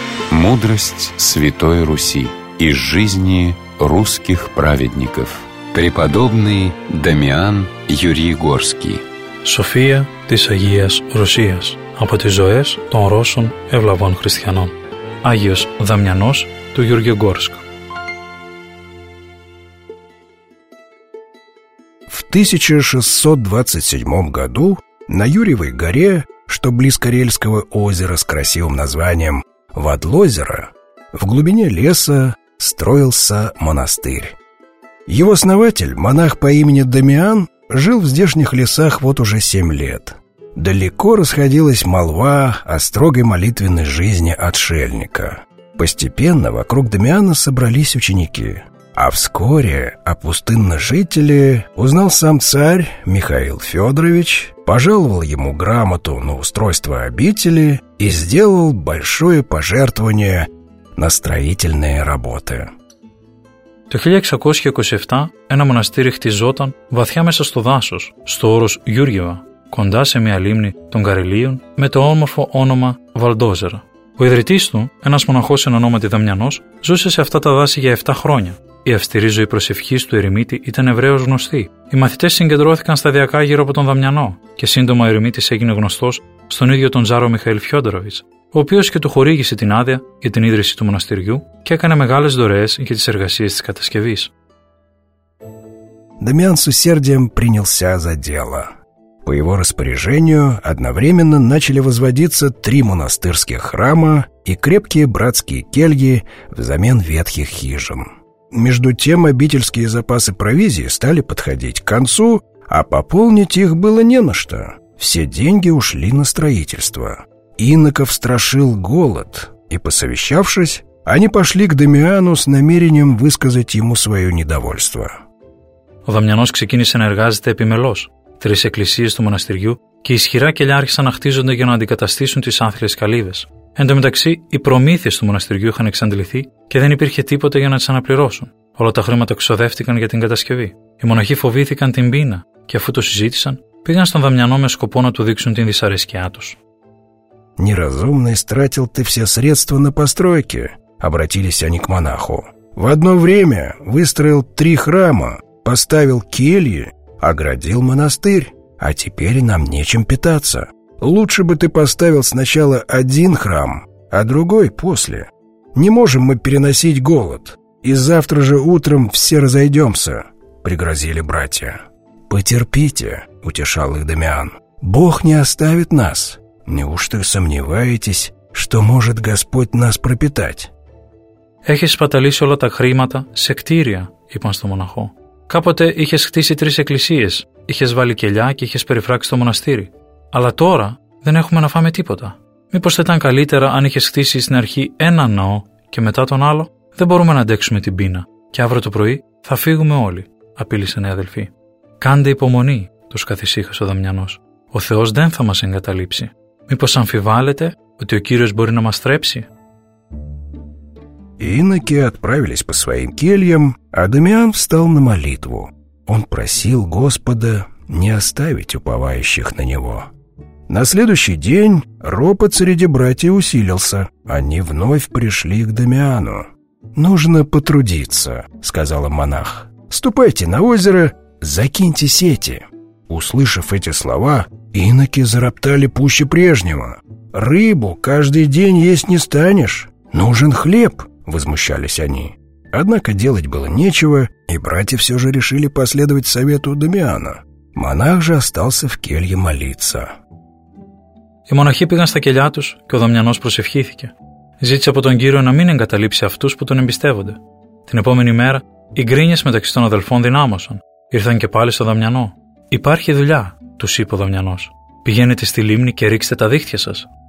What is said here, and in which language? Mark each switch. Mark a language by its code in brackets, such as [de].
[ru] Мудрость Святой Руси из жизни русских праведников. Преподобный Дамиан Юрий Горский. [el] София тис Агиас Русиас. Από τις ζωές των Ρώσων ευλαβών χριστιανών. Άγιος Δαμιανός του Γιώργιο Γκόρσκου. [ru] В 1627 году на Юрьевой горе, что близ Карельского озера с красивым названием Вадлозеро, в глубине леса строился монастырь. Его основатель, монах по имени Дамиан, жил в здешних лесах вот уже 7 лет. Далеко расходилась молва о строгой молитвенной жизни отшельника. Постепенно вокруг Дамиана собрались ученики. А вскоре о пустынном жителе узнал сам царь Михаил Федорович, пожаловал ему грамоту на устройство обители и сделал большое пожертвование на строительные работы. [el] В 1627 ένα монастырь хтизотан βαθιά μέσα στο δάσος, στο όρος Γιούργιεβα, κοντά σε μια λίμνη των Καρελίων με το όμορφο όνομα Βαλντόζερα. Ο ιδρυτής του, ένας μοναχός εν ονόματι Δαμιανός, ζούσε σε αυτά τα δάση για 7 χρόνια. Η αυστηρή ζωή προσευχής του ερημίτη ήταν ευρέως γνωστή. Οι μαθητές συγκεντρώθηκαν σταδιακά γύρω από τον Δαμιανό και σύντομα ο ερημίτης έγινε γνωστός στον ίδιο τον Τζάρο Μιχαήλ Φιόντοροβιτς, ο οποίος και του χορήγησε την άδεια για την ίδρυση του μοναστηριού και έκανε μεγάλες δωρεές για τις εργασίες της κατασκευής. [ru] Δαμιάν с усердием принялся за дело. По его распоряжению одновременно начали возводиться 3 монастырских храма и крепкие братские кельги взамен ветхих хижин. Между тем обительские запасы провизии стали подходить к концу, а пополнить их было не на что. Все деньги ушли на строительство. Иноков страшил голод, и, посовещавшись, они пошли к Дамиану с намерением высказать ему свое недовольство. [el] Ο Δαμιανός ξεκίνησε να εργάζεται επιμελώς. 3 εκκλησίες του μοναστηριού και ισχυρά κελιά άρχισαν να χτίζονται για να αντικαταστήσουν τις άθλιες καλύβες. Εν τω μεταξύ, οι προμήθειες του μοναστηριού είχαν εξαντληθεί και δεν υπήρχε τίποτε για να τις αναπληρώσουν. Όλα τα χρήματα ξοδεύτηκαν για την κατασκευή. Οι μοναχοί φοβήθηκαν την πείνα και αφού το συζήτησαν, πήγαν στον Δαμιανό με σκοπό να του δείξουν την δυσαρέσκειά τους. [ru] Неразумно истратил ты все средства на постройки, обратились они к монаху. В одно время выстроил 3 храма, поставил кельи, оградил монастырь, а теперь нам нечем питаться. Лучше бы ты поставил сначала 1 храм, а другой после. Не можем мы переносить голод, и завтра же утром все разойдемся, пригрозили братья. Потерпите, утешал их Дамиан. Бог не оставит нас. Неужто сомневаетесь, что может Господь нас пропитать? [el] Έχεις спаталίσει όλα τα χρήματα σε κτίρια, είπαν στο μοναχό. Κάποτε είχες χτίσει 3 εκκλησίες, είχες βάλει κελιά και είχες περιφράξει το μοναστήρι. Αλλά τώρα δεν έχουμε να φάμε τίποτα. Μήπως θα ήταν καλύτερα αν είχες χτίσει στην αρχή ένα ναό και μετά τον άλλο? Δεν μπορούμε να αντέξουμε την πείνα και αύριο το πρωί θα φύγουμε όλοι, απείλησαν οι αδελφοί. Κάντε υπομονή, τους καθησύχασε ο Δαμιανός. Ο Θεός δεν θα μας εγκαταλείψει. Μήπως αμφιβάλλετε ότι ο Κύριος μπορεί να μας στρέψει? [ru] Иноки отправились по своим кельям, а Дамиан встал на молитву. Он просил Господа не оставить уповающих на него. На следующий день ропот среди братьев усилился. Они вновь пришли к Дамиану. «Нужно потрудиться», — сказал монах. «Ступайте на озеро, закиньте сети». Услышав эти слова, иноки зароптали пуще прежнего. «Рыбу каждый день есть не станешь. Нужен хлеб», — возмущались они. Однако делать было нечего, и братья все же решили последовать совету Дамиана. Монах же остался в келье молиться. [el] Οι μοναχοί πήγαν στα κελιά τους και ο Δαμιανός προσευχήθηκε. Ζήτησε από τον Κύριο να μην εγκαταλείψει αυτούς που τον εμπιστεύονται. Την επόμενη μέρα, οι γκρίνιες μεταξύ των αδελφών δυνάμωσαν. Ήρθαν και πάλι στο Δαμιανό. «Υπάρχει δουλειά», τους είπε ο Δαμιανός. «Πηγαίνετε στη λίμνη και ρίξτε τα δίχτυα σας».